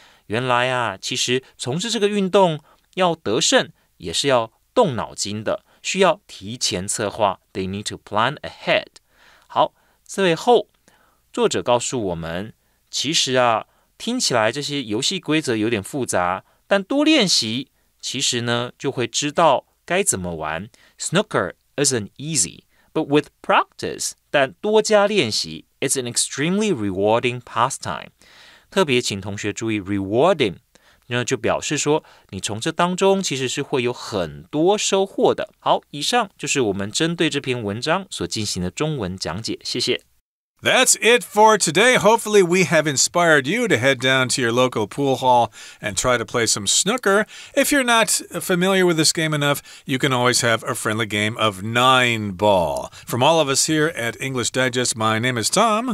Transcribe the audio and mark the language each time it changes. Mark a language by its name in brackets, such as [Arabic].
[Chinese] 原来啊，其实从事这个运动要得胜也是要动脑筋的，需要提前策划。 [English] They need to plan ahead. [Chinese] 好，最后作者告诉我们，其实啊，听起来这些游戏规则有点复杂，但多练习，其实呢就会知道该怎么玩。 [English] Snooker isn't easy, but with practice, [Chinese] 但多加练习 [English] ，it's an extremely rewarding pastime. [Chinese] 特别请同学注意 rewarding， 那就表示说你从这当中其实是会有很多收获的。好，以上就是我们针对这篇文章所进行的中文讲解，谢谢。 [English] That's it for today. Hopefully we have inspired you to head down to your local pool hall and try to play some snooker. If you're not familiar with this game enough, you can always have a friendly game of nine ball. From all of us here at English Digest, my name is Tom.